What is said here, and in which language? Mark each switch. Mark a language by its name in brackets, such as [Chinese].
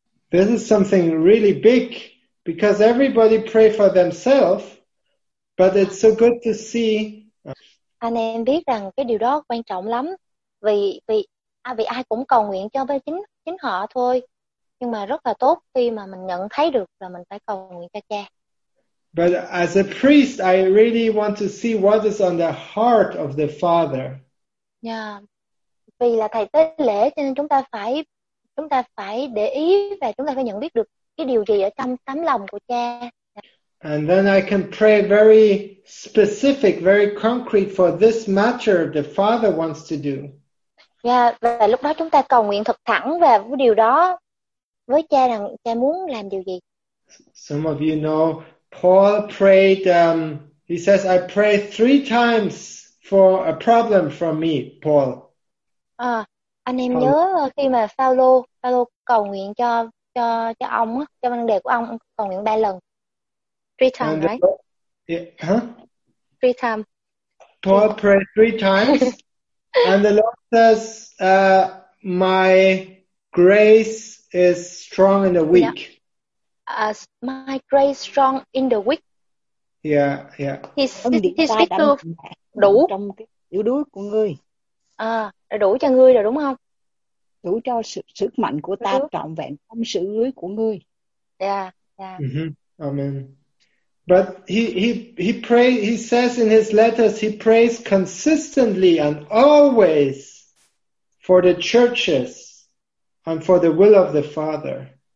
[English] This is something really big because everybody pray for themselves, but it's so good to see. [Vietnamese] Anh em biết rằng cái điều đó quan trọng lắm vì ai cũng cầu nguyện cho với chính họ thôi, nhưng mà rất là tốt khi mà mình nhận thấy được là mình phải cầu nguyện cho Cha. [English] But as a priest, I really want to see what is on the heart of the Father. Yeah. [Vietnamese] Vì là thầy tế lễ cho nên chúng ta phải để ý và chúng ta phải nhận biết được cái điều gì ở trong tấm lòng của Cha. [English] And then I can pray very specific, very concrete for this matter the Father wants to do. [Vietnamese] Yeah, và lúc đó chúng ta cầu nguyện thật thẳng về cái điều đó với Cha, rằng Cha muốn làm điều gì. [English] Some of you know Paul prayed, he says I pray 3 times for a problem from me, Paul. [Vietnamese] Nhớ khi mà Paulo cầu nguyện cho ông, cho vấn đề của ông, cầu nguyện 3 lần. [English] 3 times, right? Yeah. 3 times. Paul prayed 3 times. And the Lord says, my grace is strong in the weak. Yeah. My grace strong in the weak. Yeah, yeah. He speaks to đủ [Vietnamese] trong cái yếu đuối của ngươi. À, đủ cho ngươi rồi đúng không? Đủ cho sức mạnh của ta trọn vẹn trong sự yếu đuối của ngươi. [English] Yeah, yeah. Mm-hmm. Amen. But he says in his letters he prays consistently and always for the churches and for the will of the Father.